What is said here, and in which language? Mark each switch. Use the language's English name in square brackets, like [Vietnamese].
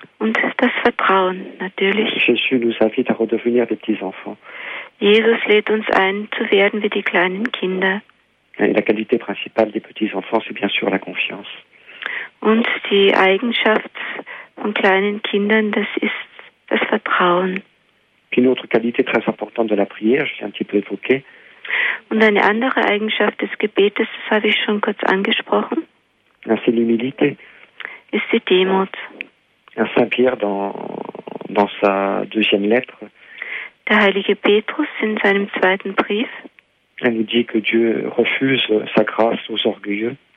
[German] Und das Vertrauen, natürlich. [French] Jésus nous invite à redevenir des petits-enfants. [German] Jesus lädt uns ein, zu werden wie die kleinen Kinder. [French] Et la qualité principale des petits-enfants, c'est bien sûr la confiance. [German] Und die Eigenschaft von kleinen Kindern, das ist das Vertrauen. [French] Puis une autre qualité très importante de la prière, je l'ai un petit peu évoquée. [German] Und eine andere Eigenschaft des Gebetes, das habe ich schon kurz angesprochen. [French] C'est l'humilité. [German] Ist die Demut. [French] Saint-Pierre, dans sa deuxième lettre, [German] der heilige Petrus in seinem zweiten Brief, [French] il nous dit que Dieu refuse sa grâce aux orgueilleux.